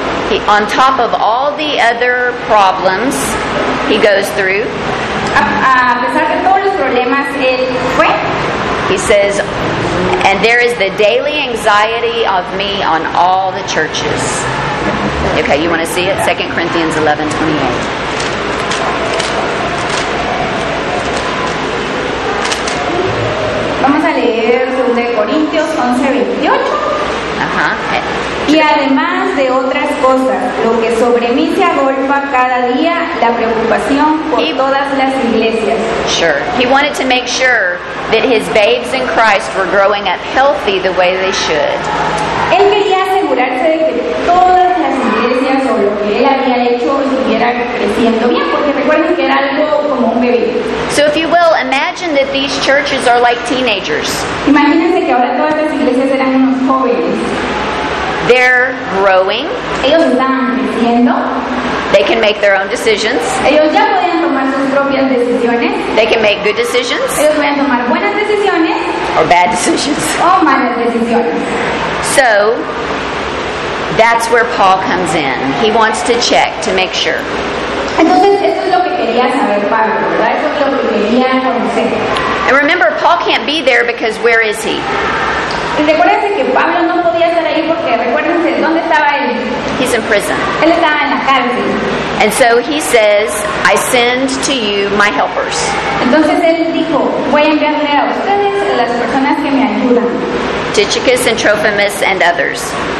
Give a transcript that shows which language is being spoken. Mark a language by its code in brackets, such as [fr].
[en] he, on top of all the other problems he goes through, [es] a pesar de todos los problemas él fue, [en] he says, and there is the daily anxiety of me on all the churches. Okay, you want to see it? 2 Corinthians 11, 28. [es] Vamos a leer 2 Corintios 11, 28. Ajá. Y además de otras cosas, lo que sobre mí se agolpa cada día, la preocupación por todas las iglesias. [en] Sure. He wanted to make sure that his babes in Christ were growing up healthy the way they should. [es] Él quería asegurarse de que todas las iglesias o lo que él había hecho estuviera creciendo bien, porque recuerden que era algo como un bebé. [en] So if you will, imagine that these churches are like teenagers. [es] Imagínense que ahora todas las iglesias eran unos jóvenes. [en] They're growing. [es] Ellos están creciendo. [en] They can make their own decisions. [es] Ellos ya pueden tomar sus propias decisiones. [en] They can make good decisions. [es] Ellos pueden tomar buenas decisiones. [en] Or bad decisions. [es] O malas decisiones. [en] So, that's where Paul comes in. He wants to check to make sure. [es] Entonces, esto es lo que quería saber Pablo, ¿verdad? Eso es lo que quería conocer. [en] And remember, Paul can't be there because where is he? [es] Recuérdense que Pablo no podía estar ahí porque, recuérdense, ¿dónde estaba él? [en] He's in prison. [es] Él estaba en la cárcel. [en] And so he says, I send to you my helpers. [es] Entonces él dijo, voy a enviarle a ustedes las personas que me ayudan. [en] Tychicus and Trophimus and others.